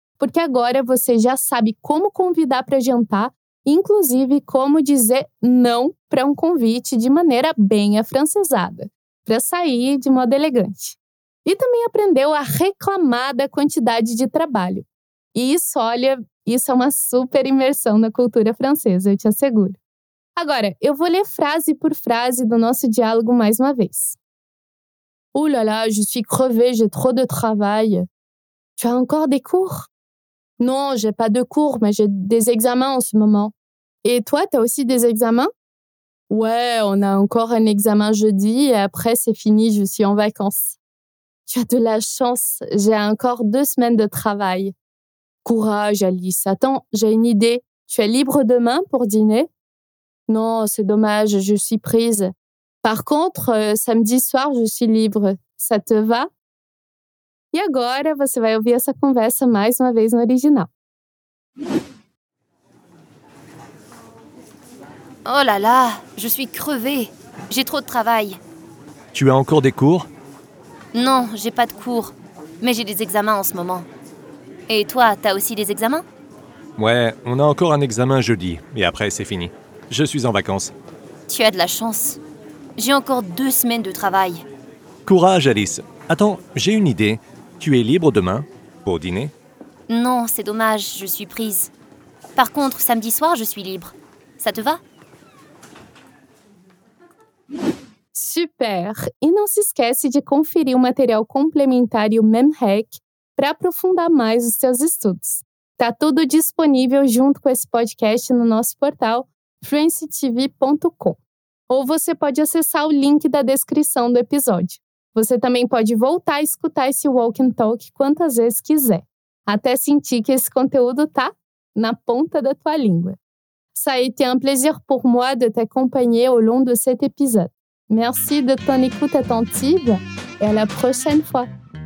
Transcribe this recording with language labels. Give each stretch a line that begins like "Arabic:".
Portuguese: Porque agora você já sabe como convidar para jantar, inclusive como dizer não para um convite de maneira bem afrancesada, para sair de modo elegante. E também aprendeu a reclamar da quantidade de trabalho. E isso, olha, isso é uma super imersão na cultura francesa, eu te asseguro. Agora, eu vou ler frase por frase do nosso diálogo mais uma vez.
French: Oh là là, je suis crevée, j'ai trop de travail. Tu as encore des cours? Non, j'ai pas de cours, mais j'ai des examens en ce moment. Et toi, t'as aussi des examens? Ouais, on a encore un examen jeudi et après c'est fini, je suis en vacances. Tu as de la chance, j'ai encore 2 semaines de travail. Courage, Alice. Attends, j'ai une idée. Tu es libre demain pour dîner? Non, c'est dommage, je suis prise. Par contre, samedi soir, je suis libre. Ça te va?
Portuguese: E agora você vai ouvir essa conversa mais uma vez no original.
French: Oh là là, je suis crevée. J'ai trop de travail. Tu as encore des cours? Non, j'ai pas de cours, mais j'ai des examens en ce moment. Et toi, t'as aussi des examens? Ouais, on a encore un examen jeudi, et après c'est fini. Je suis en vacances. Tu as de la chance. J'ai encore 2 semaines de travail. Courage, Alice. Attends, j'ai une idée. Tu es libre demain, pour dîner? Non, c'est dommage, je suis prise. Par contre, samedi soir, je suis libre. Ça te va? Super!
Portuguese: E não se esquece de conferir o material complementar e o MemHack para aprofundar mais os seus estudos. Está tudo disponível junto com esse podcast no nosso portal fluencytv.com. Ou você pode acessar o link da descrição do episódio. Você também pode voltar a escutar esse Walk and Talk quantas vezes quiser, até sentir que esse conteúdo está na ponta da tua língua.
French: Ça a été un plaisir pour moi de t'accompagner au long de cet épisode. Merci de ton écoute attentive et à la prochaine fois.